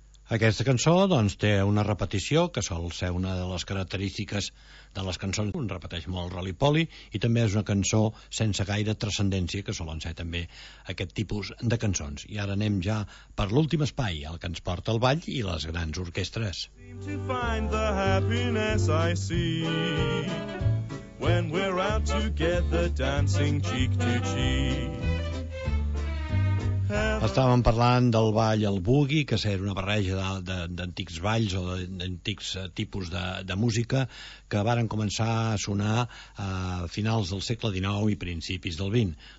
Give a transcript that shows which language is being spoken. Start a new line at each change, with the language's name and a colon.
Catalan: Aquesta cançó, doncs, té una repetició, que sol ser una de les característiques de les cançons. Un repeteix molt Roly Poly, i també és una cançó sense gaire transcendència, que solen ser també aquest tipus de cançons. I ara anem ja per l'últim espai, el que ens porta el ball i les grans orquestres.
English: To find the happiness I see when we're out together dancing cheek to cheek.
Catalan: Estàvem parlant del ball al boogie, que era una barreja d'antics balls o d'antics tipus de música que varen començar a sonar a finals del segle XIX i principis del XX.